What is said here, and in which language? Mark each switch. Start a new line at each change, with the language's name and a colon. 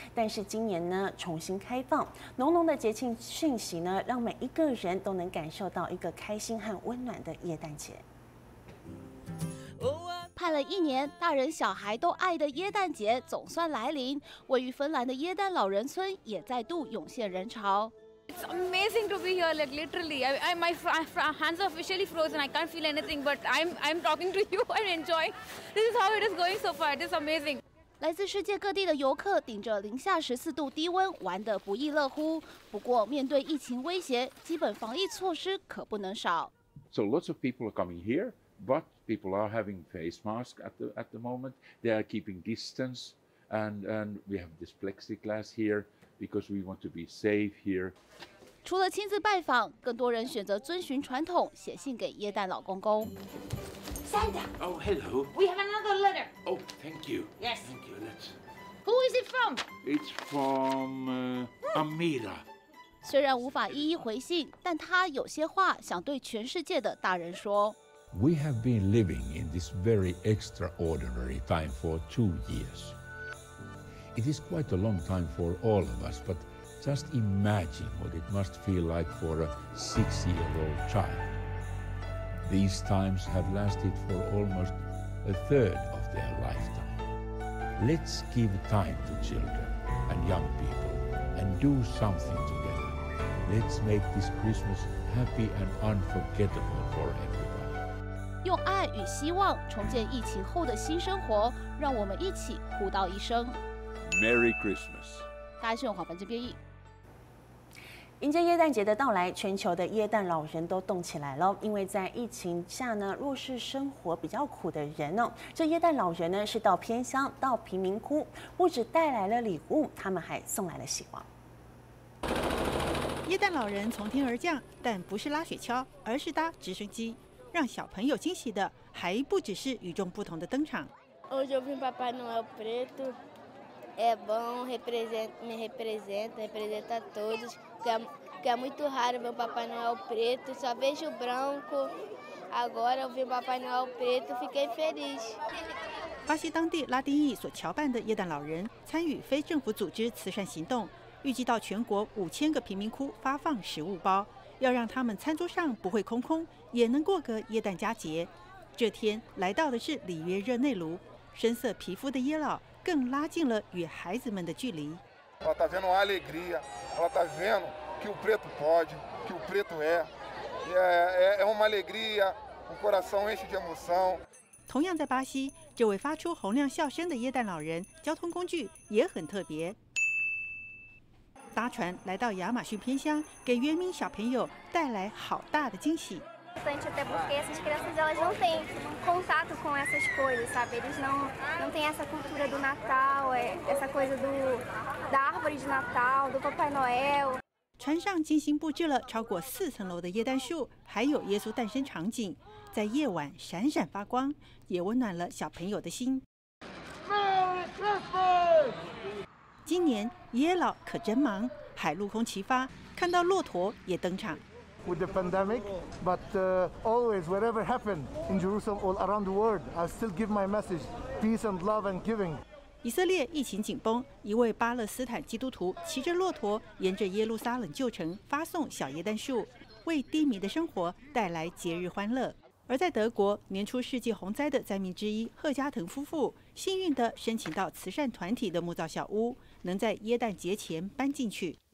Chinese: 但是今年呢，重新开放，浓浓的节庆讯息呢，让每一个人都能感受到一个开心和温暖的耶诞节。盼了一年，大人小孩都爱的耶诞节总算来临。位于芬兰的耶诞老人村也再度涌现人潮。
English: It's amazing to be here, like literally. My hands are officially frozen. I can't feel anything, but I'm talking to you and enjoying. This is how it is going so far. It is amazing.
Chinese: 来自世界各地的游客顶着零下十四度低温玩得不亦乐乎。不过，面对疫情威胁，基本防疫措施可不能少。
English: So lots of people are coming here, but people are having face masks at the moment. They are keeping distance, and we have this plexiglass here. Because we want to be safe here.
Chinese: 除了亲自拜访，更多人选择遵循传统，写信给耶诞老公公。
English: Santa. Oh, hello. We have another letter. Oh, thank you. Yes. Thank you. Let's. Who is it from? It's from Amira.
Chinese: 虽然无法一一回信，但他有些话想对全世界的大人说。
English: We have been living in this very extraordinary time for 2 years. It is quite a long time for all of us, but just imagine what it must feel like for a 6-year-old child. These times have lasted for almost a third of their lifetime. Let's give time to children and young people and do something together. Let's make this Christmas happy and unforgettable for everyone.
Chinese: 用爱与希望重建疫情后的新生活，让我们一起互道一声。
English: Merry Christmas！
Chinese: 大家好，我是编译。迎接耶诞节的到来，全球的耶诞老人都动起来了。因为在疫情下呢，弱势生活比较苦的人呢，这耶诞老人呢是到偏乡、到贫民窟，不只带来了礼物，他们还送来了希望。耶诞老人从天而降，但不是拉雪橇，而是搭直升机，让小朋友惊喜的还不只是与众不同的登场。
Portuguese: Hoje eu vim para Papai Noel preto. É bom, me representa, representa todos. Que é muito raro ver o Papai Noel preto, só vejo branco. Agora eu vi o Papai Noel preto, fiquei feliz.
Chinese: 巴西当地拉丁裔所侨办的耶诞老人参与非政府组织慈善行动，预计到全国5000个贫民窟发放食物包，要让他们餐桌上不会空空，也能过个耶诞佳节。这天来到的是里约热内卢，深色皮肤的耶老。更拉近了与孩子们的距离。
Portuguese: Ela está vendo uma alegria, ela está vendo que o preto pode, que o preto é. É uma alegria, o coração enche de emoção.
Chinese: 同样在巴西，这位发出洪亮笑声的耶诞老人，交通工具也很特别。搭船来到亚马逊偏乡，给原民小朋友带来好大的惊喜。
Portuguese: Até porque essas crianças elas não têm contato com essas coisas, sabe? Eles não têm essa cultura do Natal, essa coisa da árvore de Natal, do Papai Noel.
Chinese: 船上精心布置了超过4层楼的耶诞树，还有耶稣诞生场景，在夜晚闪闪发光，也温暖了小朋友的心。
English: Merry Christmas！
Chinese: 今年耶老可真忙，海陆空齐发，看到骆驼也登场。
English: With the pandemic, but always, whatever happened in Jerusalem or around the world, I still give my message: peace and love and giving.
Chinese: 以色列疫情紧绷，一位巴勒斯坦基督徒骑着骆驼，沿着耶路撒冷旧城发送小耶诞树，为低迷的生活带来节日欢乐。而在德国，年初世纪洪灾的灾民之一贺加腾夫妇，幸运地申请到慈善团体的木造小屋，能在耶诞节前搬进去。